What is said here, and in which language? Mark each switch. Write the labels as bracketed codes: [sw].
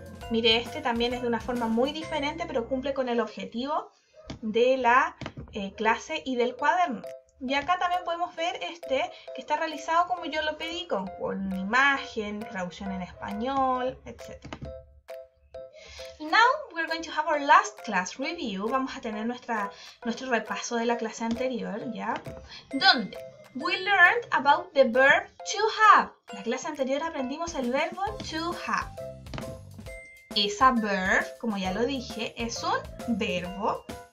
[es] Mire, este también es de una forma muy diferente, pero cumple con el objetivo de la clase y del cuaderno. Y acá también podemos ver este, que está realizado como yo lo pedí, con imagen, traducción en español, etc. [en] Now we're going to have our last class review. [es] Vamos a tener nuestro repaso de la clase anterior, ¿ya? ¿Dónde? [en] We learned about the verb to have. [es] La clase anterior aprendimos el verbo to have. [en] Is a verb, [es] como ya lo dije, es un verbo.